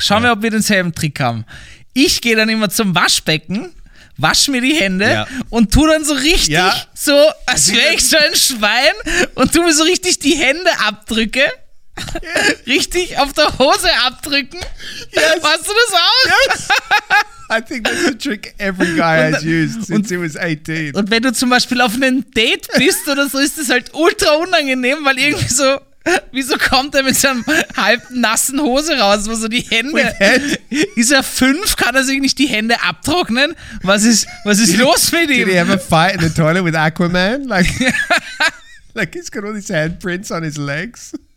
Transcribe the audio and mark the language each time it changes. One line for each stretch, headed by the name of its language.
German: Schauen wir, ob wir denselben Trick haben. Ich gehe dann immer zum Waschbecken, wasch mir die Hände und tu dann so richtig so, als wäre ich so ein Schwein und tu mir so richtig die Hände abdrücke. Yes. Richtig auf der Hose abdrücken. Yes. Machst du das auch? Yes.
English: I think that's a trick every guy has used since he was 18.
German: Und wenn du zum Beispiel auf einem Date bist oder so, ist es halt ultra unangenehm, weil irgendwie so, wieso kommt er mit seinem halb nassen Hose raus, wo so die Hände, ist er fünf, kann er sich nicht die Hände abtrocknen? Was ist los mit ihm?
English: Did he have a fight in the toilet with Aquaman? Like he's got all these handprints on his legs?